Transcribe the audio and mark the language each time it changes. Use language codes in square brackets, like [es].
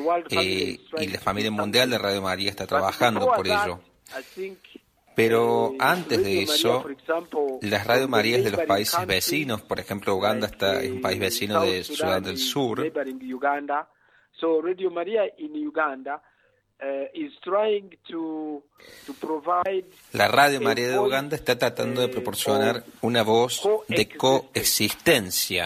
[es] Y la familia mundial de Radio María está trabajando por ello. Pero antes de eso, las Radio Marías de los países vecinos, por ejemplo, Uganda es un país vecino de Sudán del Sur, [en] So Radio Maria in Uganda is trying to provide. [es] La Radio María de Uganda está tratando de proporcionar una voz de coexistencia.